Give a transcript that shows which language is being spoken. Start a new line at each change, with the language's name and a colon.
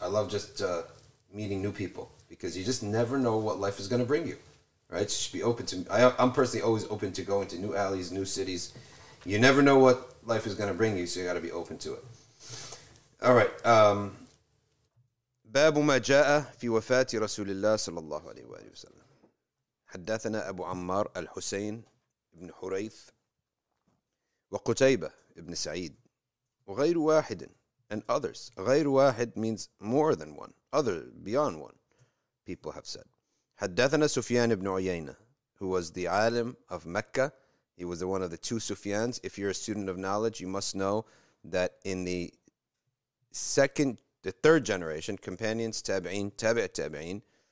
English: I love just meeting new people, because you just never know what life is going to bring you. Right, you should be open to. I'm personally always open to going to new alleys, new cities. You never know what life is going to bring you, so you got to be open to it. All right.
Arabic: باب ما جاء في وفاة رسول الله صلى الله عليه وسلم. حدثنا أبو عمار الحسين بن حريث وقتيبة بن سعيد وغير واحد
English: and others.
Arabic: غير واحد
English: means more than one, other beyond one. People have said.
Arabic: حدثنا سفيان بن عيينة,
English: who was the alim of Mecca. He was one of the two Sufyans. If you're a student of knowledge, you must know that in the third generation, companions, tabi'in, tabi'at tabi'in,